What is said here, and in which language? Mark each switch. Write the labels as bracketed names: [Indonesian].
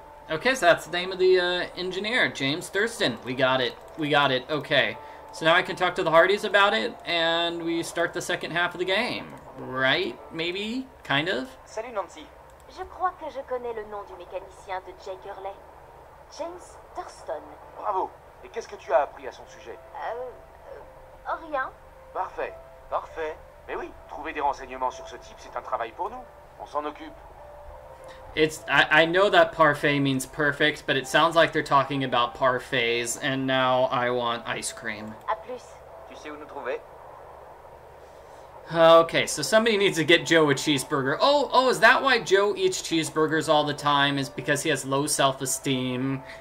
[English] Okay, so that's the name of the engineer, James Thurston. We got it. Okay. So now I can talk to the Hardys about it, and we start the second half of the game. Right? Maybe? Kind of? [French] Salut, Nancy. Je crois que je connais le nom du mécanicien de Jake Hurley. James Thurston. Bravo. Et qu'est-ce que tu as appris à son sujet? Rien. Parfait. Mais oui, trouver des renseignements sur ce type, c'est un travail pour nous. On s'en occupe. [English] I know that parfait means perfect, but it sounds like they're talking about parfaits, and now I want ice cream. [French] A plus. Tu sais où nous trouver? [English] Okay, so somebody needs to get Joe a cheeseburger. Oh, is that why Joe eats cheeseburgers all the time? Is because he has low self-esteem?